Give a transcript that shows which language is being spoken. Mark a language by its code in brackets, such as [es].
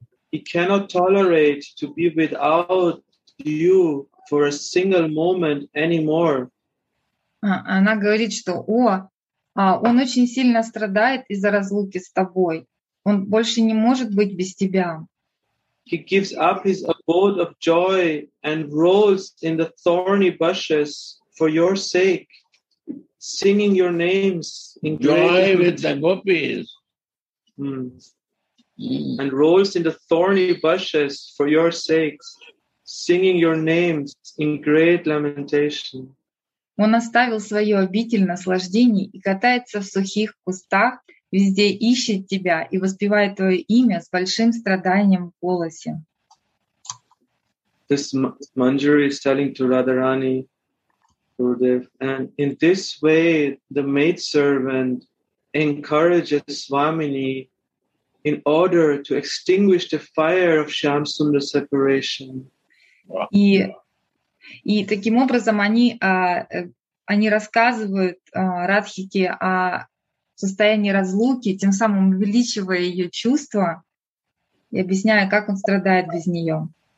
[en] He cannot tolerate to be without you for a single moment anymore. [ru] Она говорит, что он очень сильно страдает из-за разлуки с тобой. Он больше не может быть без тебя. [en] He gives up his abode of joy and rolls in the thorny bushes for your sake, singing your names in joy with the gopis. And rolls in the thorny bushes for your sake, singing your names in great lamentation. [ru] Он оставил свою обитель наслаждений и катается в сухих кустах, везде ищет тебя и воспевает твое имя с большим страданием в голосе. [en] This Manjari is telling to Radharani, Gurudev, and in this way the maidservant encourages Swamini in order to extinguish the fire of Shyamasundara separation. [ru] И таким образом они рассказывают Радхике о состоянии разлуки, тем самым увеличивая ее чувства и объясняя, как он страдает без нее.